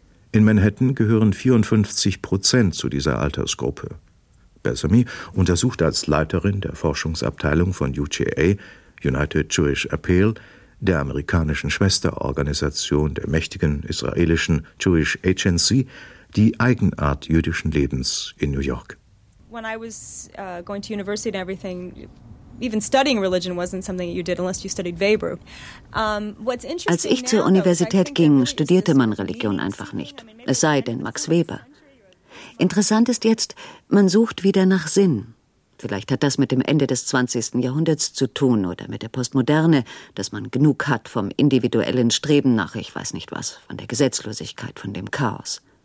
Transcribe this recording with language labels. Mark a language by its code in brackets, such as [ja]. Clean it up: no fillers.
[de] In Manhattan gehören 54% zu dieser Altersgruppe. Besamy untersucht als Leiterin der Forschungsabteilung von UJA, United Jewish Appeal, der amerikanischen Schwesterorganisation der mächtigen israelischen Jewish Agency, die Eigenart jüdischen Lebens in New York. [en] When I was going to university and everything, even studying religion wasn't something you did unless you studied Weber. [de] Als ich zur Universität ging, studierte man Religion einfach nicht, es sei denn Max Weber. Interessant ist jetzt, man sucht wieder nach Sinn. Vielleicht hat das mit dem Ende des 20. Jahrhunderts zu tun oder mit der Postmoderne, dass man genug hat vom individuellen Streben nach, ich weiß nicht was, von der Gesetzlosigkeit, von dem Chaos.